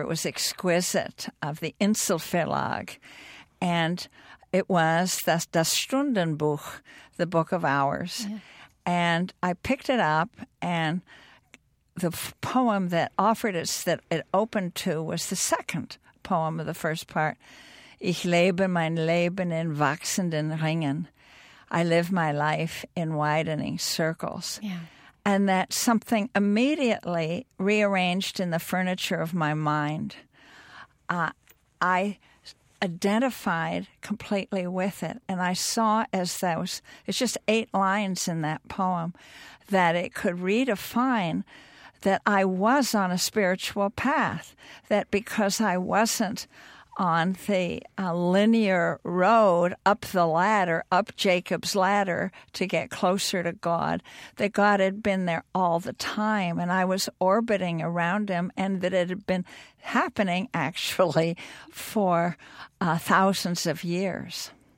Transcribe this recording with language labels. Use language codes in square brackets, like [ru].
[en] It was exquisite, of the Insel Verlag. And it was Das Stundenbuch, the Book of Hours. Yeah. And I picked it up, and the poem that it opened to was the second poem of the first part. [de] Ich lebe mein Leben in wachsenden Ringen. [en] I live my life in widening circles. Yeah. And that something immediately rearranged in the furniture of my mind. I identified completely with it. And I saw it's just 8 lines in that poem, that it could redefine that I was on a spiritual path, that because I wasn't on the linear road up the ladder, up Jacob's ladder to get closer to God, that God had been there all the time and I was orbiting around him, and that it had been happening actually for thousands of years.